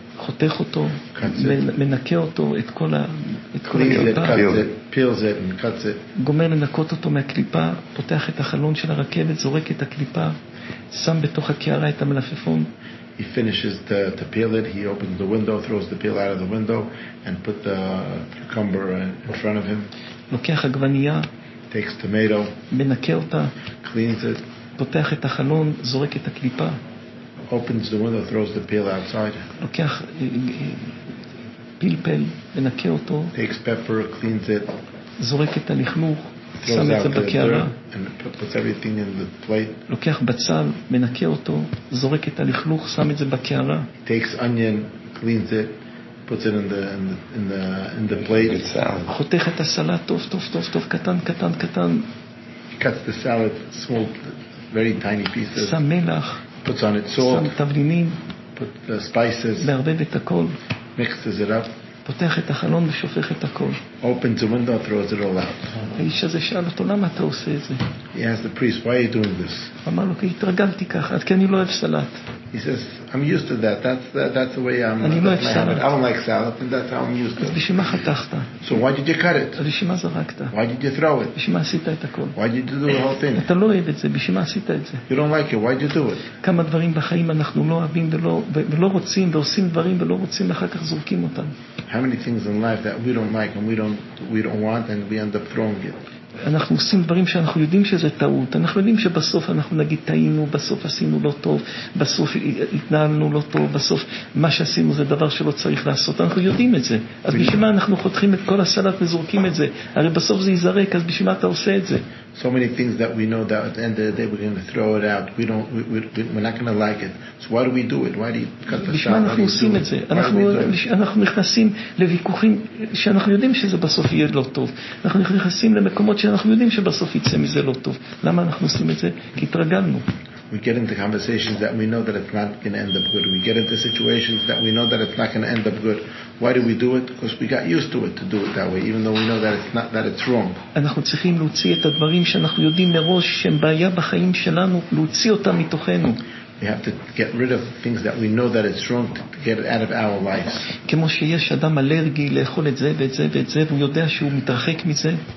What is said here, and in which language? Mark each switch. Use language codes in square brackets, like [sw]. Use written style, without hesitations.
[he] חותך אותו, מנקה אותו, את כל הקליפה, גומר לנקות אותו מהקליפה, פותח את החלון של הרכבת, זורק את הקליפה, שם בתוך הקערה את המלפפון. [en] He finishes to peel it, he opens the window, throws the peel out of the window and put the cucumber in front of him. [he] לוקח עגבנייה, [en] takes tomato, [he] מנקה אותה, [en] cleans it, [he] פותח את החלון, זורק את הקליפה, [en] opens the window, throws the peel outside. [he] לוקח פלפל, מנקה אותו. [en] Takes pepper, cleans it. [he] זורק את הלכלוך, שם את זה בקערה. [en] And puts everything in the plate. [he] לוקח בצל, מנקה אותו, זורק את הלכלוך, שם את זה בקערה. [en] Takes onion, cleans it, puts it in the plate. [he] חותך את הסלט, טוב, טוב, טוב, טוב, קטן, קטן, קטן. [en] Cuts the salad, small, very tiny pieces. [he] שם מלח. [en] Puts on it salt. [he] שם תבלינים. [en] Put the spices. [he] מערבב את הכל. [en] Mixes it up. [he] פותח את החלון ושופך את הכל. [en] Opens the window, throws it all out. [he] האיש הזה שאל אותו, למה אתה עושה את זה? [en] He asked the priest, why are you doing this? [he] אמר לו, כי התרגלתי ככה, כי אני לא אוהב סלט. [en] He says, I'm used to that. That's the way I'm. [he] אני לא אוהב סלט. [en] I don't like salad, and that's how I'm used to it. [he] אז בשביל מה חתכת? [en] So why did you cut it? [he] אז בשביל מה זרקת? [en] Why did you throw it? [he] בשביל מה עשית את הכל? [en] Why did you do the whole thing? [he] אתה לא אוהב את זה, בשביל מה עשית את זה? [en] You don't like it. Why did you do it? [he] כמה דברים בחיים אנחנו לא אוהבים ולא רוצים, ועושים דברים ולא רוצים, אחר כך זורקים אותם. [en] How many things in life that we don't like and we don't want and we end up throwing it? [he] אנחנו עושים דברים שאנחנו יודעים שזה טעות, אנחנו יודעים שבסוף אנחנו נגיד טעינו, בסוף עשינו לא טוב, בסוף התנהלנו לא טוב, בסוף מה שעשינו זה דבר שלא צריך לעשות, אנחנו יודעים את זה. אז בשביל מה אנחנו חותכים את כל הסלט וזורקים את זה? הרי בסוף זה יזרק, אז בשביל מה אתה עושה את זה? [en] So many things that we know that at the end of the day we're going to throw it out, we're not going to like it, so why do we do it? Why do you cut the salad? [he] אנחנו עושים את זה, אנחנו נכנסים לוויכוחים שאנחנו יודעים שזה בסוף יהיה לא טוב, אנחנו נכנסים למקומות שאנחנו יודעים שבסוף יצא מזה לא טוב. למה אנחנו עושים את זה? כי התרגלנו. [en] We get into conversations that we know that it's not going to end up good. We get into situations that we know that it's not going to end up good. Why do we do it? Because we got used to it, to do it that way, even though we know that it's wrong. [he] אנחנו צריכים להוציא את הדברים שאנחנו יודעים מראש שהם בעיה בחיים שלנו, להוציא אותם מתוכנו. [en] We have to get rid of things that we know that it's wrong, to get it out of our lives. [he] כמו שיש אדם אלרגי לאכול את זה ואת זה ואת זה, והוא יודע שהוא מתרחק מזה.